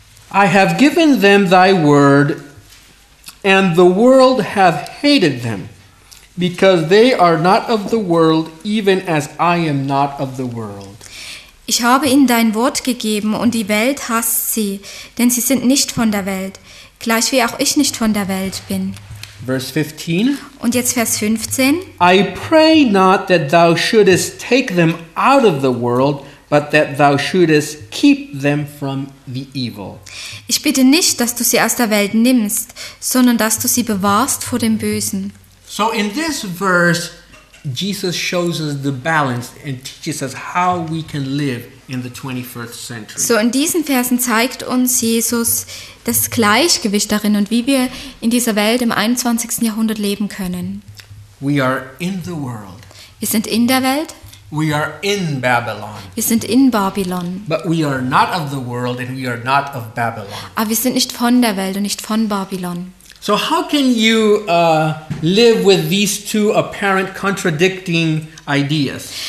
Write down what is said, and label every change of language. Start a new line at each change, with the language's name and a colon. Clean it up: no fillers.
English: I have given them thy word, and the world hath hated them. Because they are not of the world, even as I am not of the world.
German: Ich habe ihnen dein Wort gegeben, und die Welt hasst sie, denn sie sind nicht von der Welt, gleich wie auch ich nicht von der Welt bin.
English: Verse 15.
German: Und jetzt Vers 15.
English: I pray not that thou shouldest take them out of the world, but that thou shouldest keep them from the evil.
German: Ich bitte nicht, dass du sie aus der Welt nimmst, sondern dass du sie bewahrst vor dem Bösen.
English: So in this verse, Jesus shows us the balance and teaches us how we can live in the 21st century.
German: So in diesen Versen zeigt uns Jesus das Gleichgewicht darin und wie wir in dieser Welt im 21. Jahrhundert leben können.
English: We are in the world.
German: Wir sind in der Welt.
English: We are in Babylon.
German: Wir sind in Babylon.
English: But we are not of the world and we are not of Babylon.
German: Aber wir sind nicht von der Welt und nicht von Babylon.
English: So how can you live with these two apparent contradicting ideas?